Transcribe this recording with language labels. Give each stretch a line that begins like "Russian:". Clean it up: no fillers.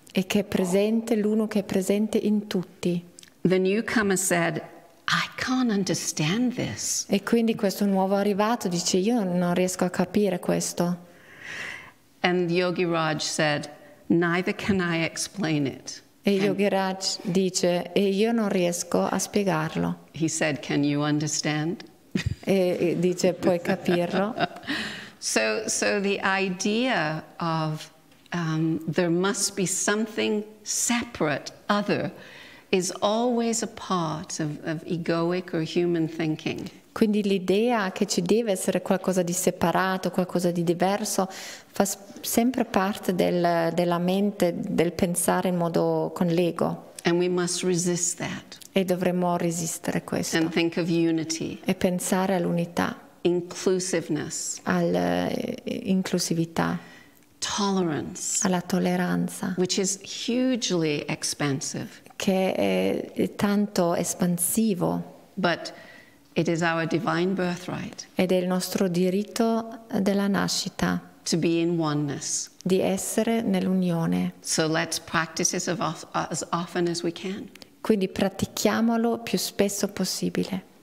Italian: E che è presente, l'uno che è presente in tutti.
English: The newcomer said, I can't understand this.
Italian: E quindi questo nuovo arrivato dice, io non riesco a capire questo.
English: And Yogiraj said, neither can I explain it.
Italian: E Yogiraj dice, e io non riesco a spiegarlo.
English: He said, can you understand?
Italian: E dice, puoi capirlo?
English: So the idea of there must be something separate, other, is always a part of egoic or human thinking.
Italian: Quindi l'idea che ci deve essere qualcosa di separato, qualcosa di diverso, fa sempre parte della mente, del pensare in modo con l'ego.
English: And we must resist that.
Italian: E dovremmo resistere questo.
English: And think of unity.
Italian: E pensare all'unità.
English: Inclusiveness.
Italian: All'inclusività.
English: Tolerance.
Italian: Alla tolleranza.
English: Which is hugely expansive.
Italian: Che è tanto espansivo.
English: But it is our divine birthright.
Italian: Ed è il nostro diritto della nascita.
English: To be in oneness.
Italian: Di essere nell'unione.
English: So let's practice it as often as we can.
Italian: Quindi pratichiamolo più spesso possibile.